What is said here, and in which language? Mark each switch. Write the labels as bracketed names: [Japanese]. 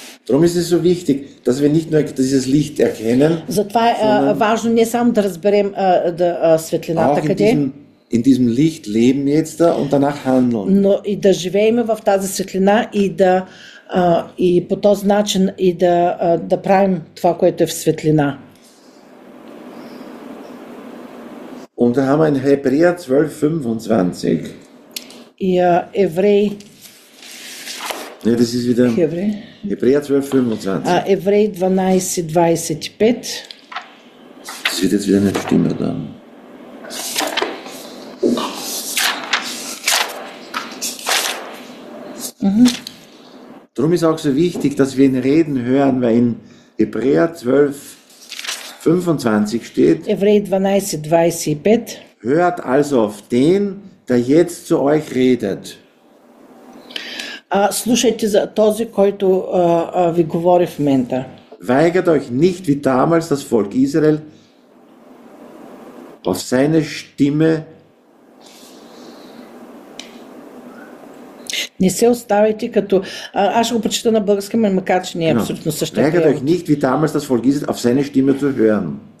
[German] Darum ist es so wichtig, dass wir nicht nur dieses Licht erkennen. [Bulgarian] Затова е важно не само да разберем светлината къде. [German] In diesem Licht leben jetzt und danach handeln. [Bulgarian] Но и да живеем в тази светлина и да и по този начин и да да правим това, което е в светлина. [German] Und da haben wir in Hebräer 12:25. Ja, Еврей. Ne, das ist wieder Hebräer 12:25. [Bulgarian] Еврей 12:25. [German] Das wird jetzt wieder nicht stimmen dann. Darum ist auch so wichtig, dass wir ihn reden hören, weil in Hebräer 12:25 steht. [Bulgarian] Еврей 12:25. [German] Hört also auf den, der jetzt zu euch redet. [Bulgarian] Слушайте за този, който ви говори в момента. [German] Weigert euch nicht, wie damals das Volk Israel, auf seine Stimme. [Bulgarian] Не се оставяйте като... аз ще го прочета на български, макар че не е [German] Genau. [Bulgarian] абсолютно същия [German] Weigert euch [Bulgarian] превод. [German] nicht, wie damals das Volk Israel, auf seine Stimme zu hören.